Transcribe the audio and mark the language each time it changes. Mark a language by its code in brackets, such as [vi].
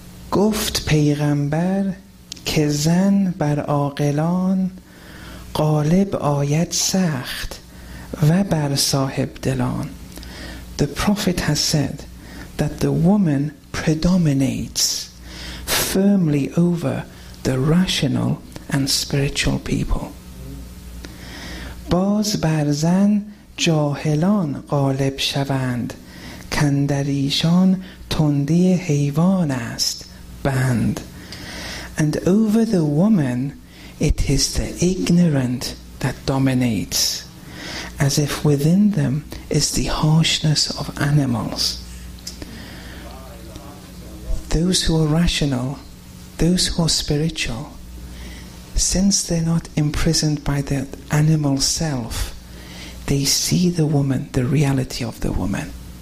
[fa] گفت پیغمبر که زن بر عاقلان غالب آید سخت و بر صاحب دلان. [en] The prophet has said that the woman predominates firmly over the rational and spiritual people. [fa] باز بر زن جاهلان غالب شوند کندریشان تندی حیوان است بند. [en] And over the woman it is the ignorant that dominates, as if within them is the harshness of animals. Those who are rational, those who are spiritual, since they're not imprisoned by the animal self, they see the woman, the reality of the woman.